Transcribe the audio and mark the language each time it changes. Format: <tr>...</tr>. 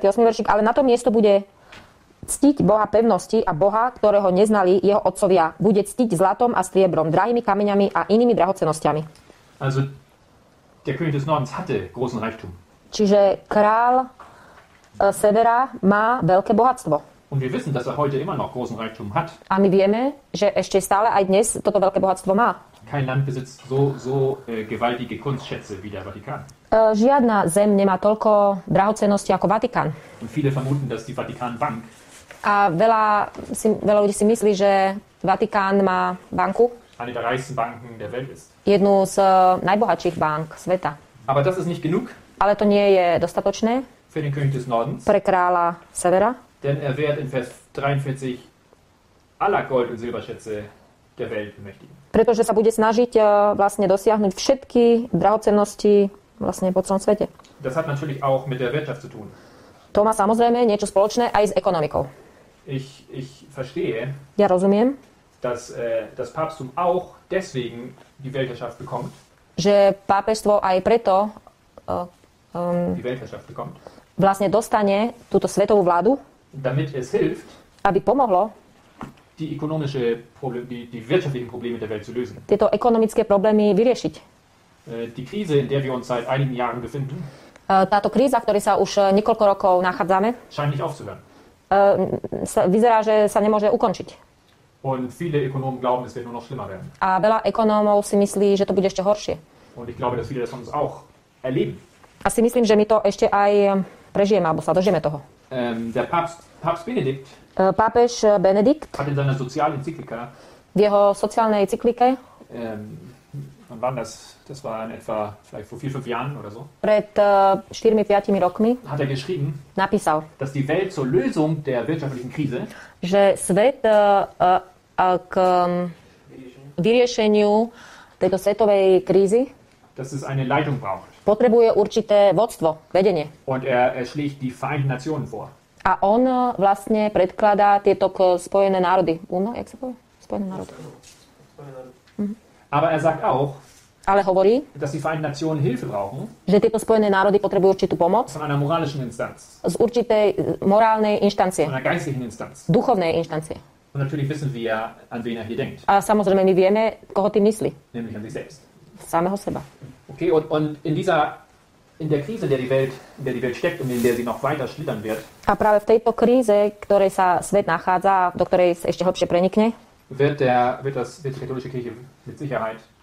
<sk>veršik, ale na tom miesto bude ctiť Boha pevnosti a Boha, ktorého neznali jeho otcovia, bude ctiť zlatom a striebrom, drahými kameňami a inými drahocennosťami.</sk> <de>Also, der König des Nordens hatte großen Reichtum.</de> <sk>Čiže král Severa má veľké bohatstvo.</sk> <de>Und wir wissen, dass er heute immer noch großen Reichtum hat.</de> <sk>A my vieme, že ešte stále aj dnes toto veľké bohatstvo má.</sk> <de>Kein Land besitzt so gewaltige Kunstschätze wie der Vatikan.</de> <sk>Žiadna zem nemá toľko drahocennosti ako Vatikán.</sk> <de>Und viele vermuten, dass die Vatikan Bank.</de> <sk>A veľa ľudí si myslí, že Vatikán má banku.</sk> <de>Eine der reichsten Banken der Welt ist.</de> <sk>Jednu z najbohatších bank sveta.</sk> <de>Aber das ist nicht genug.</de> <sk>Ale to nie je dostatočné.</sk> <de>Für den König des Nordens.</de> <sk>Pre kráľa Severa.</sk> <de>denn er wird in Vers 43 aller Gold- und Silberschätze der Welt bemächtigen.</de> <sk>Pretože sa bude snažiť vlastne dosiahnuť všetky drahocennosti vlastne po celom svete.</sk> <de>Das hat natürlich auch mit der Wirtschaft zu tun.</de> <sk>To má samozrejme niečo spoločné aj s ekonomikou.</sk> <de>Ich verstehe.</de> <sk>Ja rozumiem.</sk> <de>Dass das Papsttum auch deswegen die Weltherrschaft bekommt.</de> <sk>Že pápežstvo aj preto</sk> <de>die Weltherrschaft bekommt.</de> <sk>Vlastne dostane túto svetovú vládu.</sk> <de>Damit es hilft.</de> <sk>Aby pomohlo</sk> <de>die ökonomische Probleme, die wirtschaftlichen Probleme der Welt zu lösen.</de> <sk>Tieto ekonomické problémy vyriešiť.</sk> <de>Die Krise, in der wir uns seit einigen Jahren befinden.</de> <sk>Táto kríza, v ktorej sa už niekoľko rokov nachádzame.</sk> <de>Scheint nicht aufzuhören.</de> <sk>Vyzerá, že sa nemôže ukončiť.</sk> <de>Und viele Ökonomen glauben, es wird nur noch schlimmer werden.</de> <sk>A veľa ekonómov si myslí, že to bude ešte horšie.</sk> <de>Und ich glaube, dass viele das von uns auch erleben.</de> <sk>A si myslím, že my to ešte aj prežijeme, alebo sa dožijeme toho.</sk> <de>Der Papst Benedikt.</de> <sk>Pápež Benedikt.</sk> <de>Hat in seiner sozialen Enzyklika.</de> <sk>V jeho sociálnej cyklike.</sk> <de>Wann das? Das war in etwa vielleicht vor 4-5 Jahren oder so.</de> <sk>Pred 4-5 rokmi.</sk> <de>Hat er geschrieben.</de> <sk>Napísal.</sk> <de>Dass die Welt zur Lösung der wirtschaftlichen Krise.</de> <sk>Že svet k vyriešeniu tejto svetovej krízy.</sk> <de>Dass es eine Leitung braucht.</de> <sk>Potrebuje určité vodstvo, vedenie.</sk> <de>Und er schlägt die Vereinten Nationen vor.</de> <sk>A on vlastne predkladá tieto k Spojené národy. UNO, jak sa povie? Spojené národy.</sk> <de>Aber er sagt auch,</de> <sk>ale hovorí,</sk> <de>dass die Vereinten Nationen Hilfe brauchen,</de> <sk>že tieto Spojené národy potrebujú určitú pomoc</sk> <de>von einer moralischen Instanz,</de> <sk>z určitej morálnej inštancie,</sk> <de>von einer geistlichen Instanz,</de> <sk>duchovnej inštancie.</sk> <de>Und natürlich wissen wir, an wen er hier denkt.</de> <sk>A samozrejme, my vieme, koho tým myslí.</sk> <de>Nämlich an sich selbst.</de> <sk>Samého seba.</sk> <de>Okay, und in der Krise, in der die Welt steckt und in der sie noch weiter schlittern wird.</de> <sk>A práve v tejto kríze, ktorej sa svet nachádza, do ktorej sa ešte hlbšie prenikne.</sk> <de>Wird die katholische Kirche mit Sicherheit.</de>